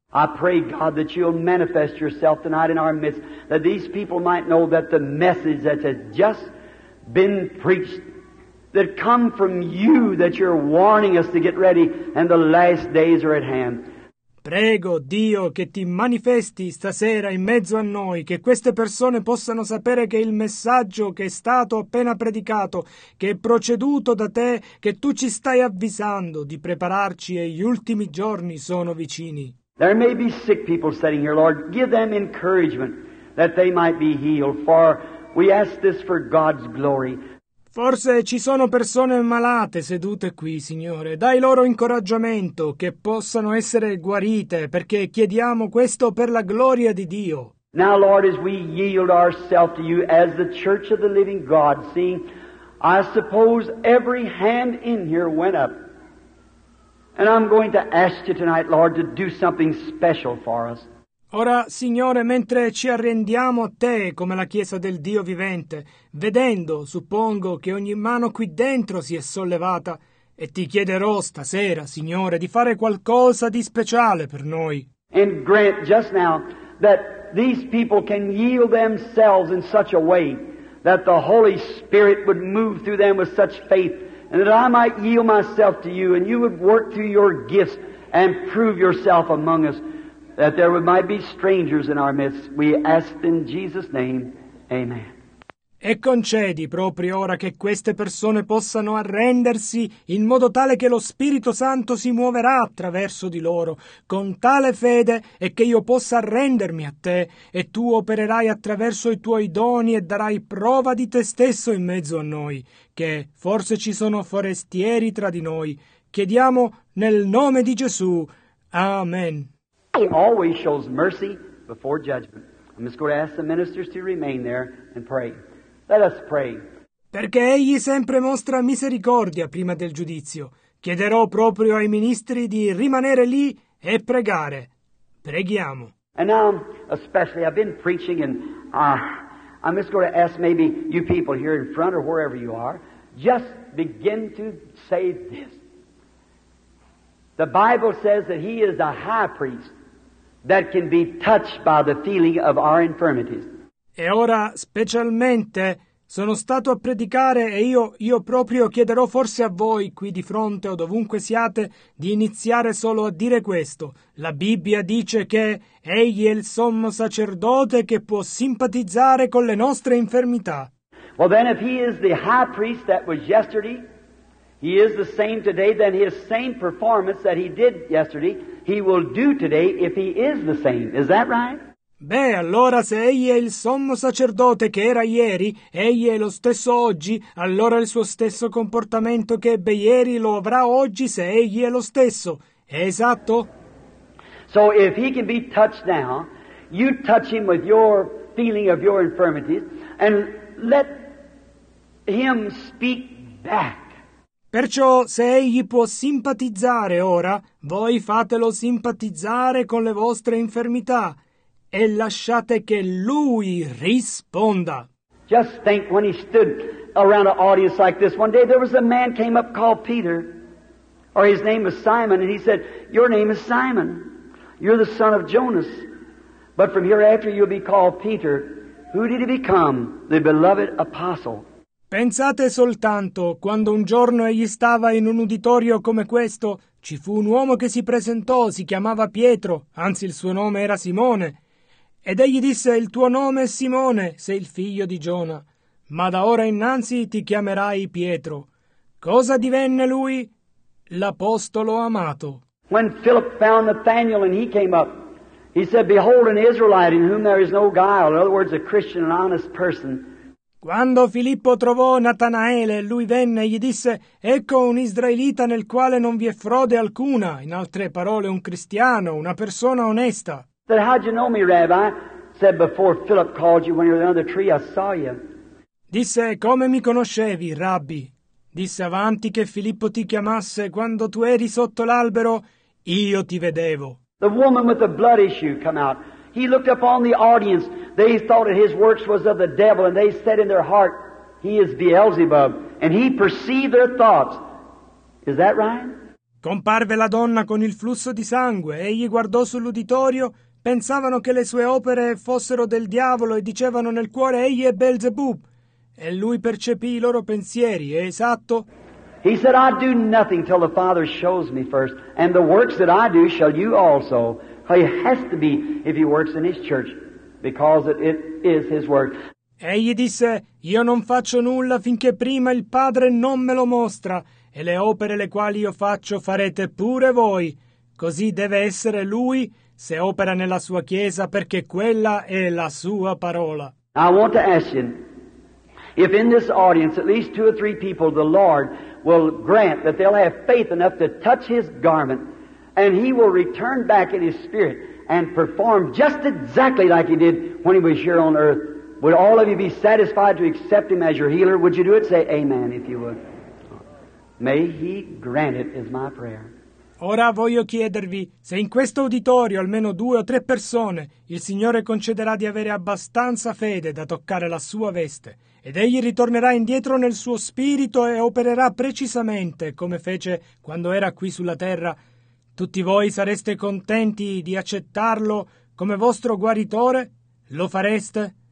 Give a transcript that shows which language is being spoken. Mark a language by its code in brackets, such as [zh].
[en] I pray, God, that you'll manifest yourself tonight in our midst, that these people might know that the message that has just been preached, that come from you, that you're warning us to get ready, and the last days are at hand. [it] Prego, Dio, che ti manifesti stasera in mezzo a noi, che queste persone possano sapere che il messaggio che è stato appena predicato, che è proceduto da te, che tu ci stai avvisando di prepararci e gli ultimi giorni sono vicini. [en] There may be sick people sitting here, Lord. Give them encouragement that they might be healed, for we ask this for God's glory. [it] Forse ci sono persone malate sedute qui, Signore. Dai loro incoraggiamento che possano essere guarite, perché chiediamo questo per la gloria di Dio. [en] Now, Lord, as we yield ourselves to you as the church of the living God, seeing, I suppose every hand in here went up. And I'm going to ask you tonight, Lord, to do something special for us. [it] Ora, Signore, mentre ci arrendiamo a Te come la Chiesa del Dio vivente, vedendo, suppongo che ogni mano qui dentro si è sollevata, e Ti chiederò stasera, Signore, di fare qualcosa di speciale per noi. [en] And grant just now that these people can yield themselves in such a way that the Holy Spirit would move through them with such faith, and that I might yield myself to You, and You would work through Your gifts and prove Yourself among us. That there might be strangers in our midst, we ask in Jesus' name, Amen. [it] E concedi proprio ora che queste persone possano arrendersi in modo tale che lo Spirito Santo si muoverà attraverso di loro, con tale fede e che io possa arrendermi a te, e tu opererai attraverso i tuoi doni e darai prova di te stesso in mezzo a noi, che forse ci sono forestieri tra di noi. Chiediamo nel nome di Gesù. Amen. [en] He always shows mercy before judgment. I'm just going to ask the ministers to remain there and pray. Let us pray. [it] Perché egli sempre mostra misericordia prima del giudizio. Chiederò proprio ai ministri di rimanere lì e pregare. Preghiamo. [en] And now, especially, I've been preaching and I'm just going to ask maybe you people here in front or wherever you are, just begin to say this. The Bible says that he is a high priest that can be touched by the feeling of our infirmities. [it] E ora, specialmente, sono stato a predicare e io proprio chiederò forse a voi, qui di fronte o dovunque siate, di iniziare solo a dire questo. La Bibbia dice che egli è il sommo sacerdote che può simpatizzare con le nostre infermità. [en] Well then, if he is the high priest that was yesterday, he is the same today, then his same performance that he did yesterday, he will do today if he is the same. Is that right? [it] Beh, allora se egli è il sommo sacerdote che era ieri, egli è lo stesso oggi, allora il suo stesso comportamento che ebbe ieri lo avrà oggi se egli è lo stesso. È esatto? [en] So if he can be touched now, you touch him with your feeling of your infirmities and let him speak back. [it] Perciò se egli può simpatizzare ora, voi fatelo simpatizzare con le vostre infermità e lasciate che lui risponda. [en] Just think when he stood around an audience like this one day, there was a man came up called Peter, or his name was Simon, and he said, your name is Simon. You're the son of Jonas, but from hereafter you'll be called Peter. Who did he become? The beloved apostle. [it] Pensate soltanto, quando un giorno egli stava in un uditorio come questo, ci fu un uomo che si presentò, si chiamava Pietro, anzi il suo nome era Simone. Ed egli disse, il tuo nome è Simone, sei il figlio di Giona, ma da ora innanzi ti chiamerai Pietro. Cosa divenne lui? L'apostolo amato. [en] When Philip found Nathanael and he came up, he said, behold an Israelite in whom there is no guile, in other words a Christian, an honest person. [it] Quando Filippo trovò Natanaele, lui venne e gli disse, ecco un israelita nel quale non vi è frode alcuna, in altre parole un cristiano, una persona onesta. [en] Said, how'd you know me, Rabbi? Said, before Philip called you when you were under the tree, I saw you. [it] Disse, come mi conoscevi, Rabbi? Disse, avanti che Filippo ti chiamasse, quando tu eri sotto l'albero, io ti vedevo. [en] The woman with the blood issue come out. He looked up on the audience. They thought that his works was of the devil, and they said in their heart, he is Beelzebub, and he perceived their thoughts. Is that right? [it] Comparve la donna con il flusso di sangue. Egli guardò sull'uditorio. Pensavano che le sue opere fossero del diavolo e dicevano nel cuore, egli è Beelzebub. E lui percepì i loro pensieri. È esatto. [en] He said, I do nothing till the Father shows me first, and the works that I do shall you also. He has to be if he works in his church, because it is his work. [it] Egli disse, io non faccio nulla finché prima il Padre non me lo mostra, e le opere le quali io faccio farete pure voi. Così deve essere lui se opera nella sua chiesa, perché quella è la sua parola. [en] I want to ask you, if in this audience at least two or three people the Lord will grant that they'll have faith enough to touch his garment, and he will return back in his spirit and perform just exactly like he did when he was here on earth. Would all of you be satisfied to accept him as your healer? Would you do it? Say amen if you would. May he grant it is my prayer. [it] Ora voglio chiedervi, se in questo uditorio almeno due o tre persone il Signore concederà di avere abbastanza fede da toccare la sua veste, ed egli ritornerà indietro nel suo spirito e opererà precisamente come fece quando era qui sulla terra, tutti voi sareste contenti di accettarlo come vostro guaritore? Lo fareste?